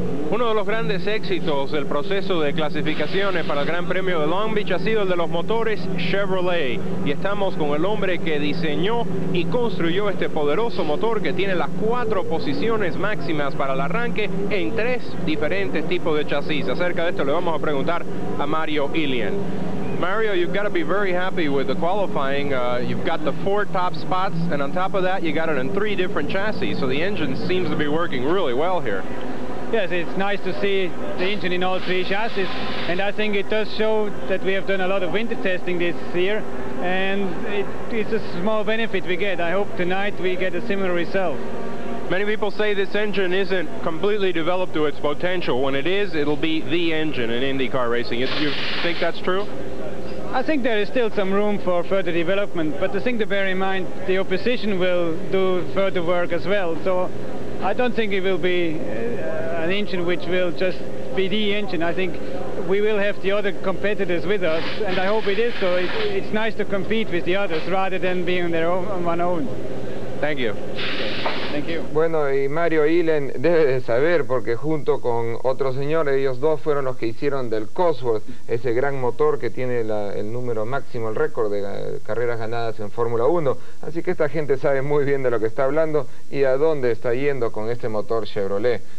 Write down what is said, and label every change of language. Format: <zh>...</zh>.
<es>Uno de los grandes éxitos del proceso de clasificaciones para el Gran Premio de Long Beach ha sido el de los motores Chevrolet. Y estamos con el hombre que diseñó y construyó este poderoso motor que tiene las cuatro posiciones máximas para el arranque en tres diferentes tipos de chasis. Acerca de esto le vamos a preguntar a Mario Ihlen.</es> <en>Mario, you've got to be very happy with the qualifying. You've got the four top spots, and on top of that, you got it in three different chassis. So the engine seems to be working really well here. Yes, it's nice to see the engine in all three chassis, and I think it does show that we have done a lot of winter testing this year, and it's a small benefit we get. I hope tonight we get a similar result. Many people say this engine isn't completely developed to its potential. When it is, it'll be the engine in IndyCar racing. You think that's true? I think there is still some room for further development, but the thing to bear in mind, the opposition will do further work as well, so I don't think it will be an engine which will just be the engine. I think we will have the other competitors with us, and I hope it is so. It's nice to compete with the others rather than being on their own, on one own. Thank you.</en> <es>Bueno, y Mario Ihlen debe de saber, porque junto con otro señor, ellos dos fueron los que hicieron del Cosworth ese gran motor que tiene el número máximo, el récord de carreras ganadas en Fórmula 1. Así que esta gente sabe muy bien de lo que está hablando y a dónde está yendo con este motor Chevrolet.</es>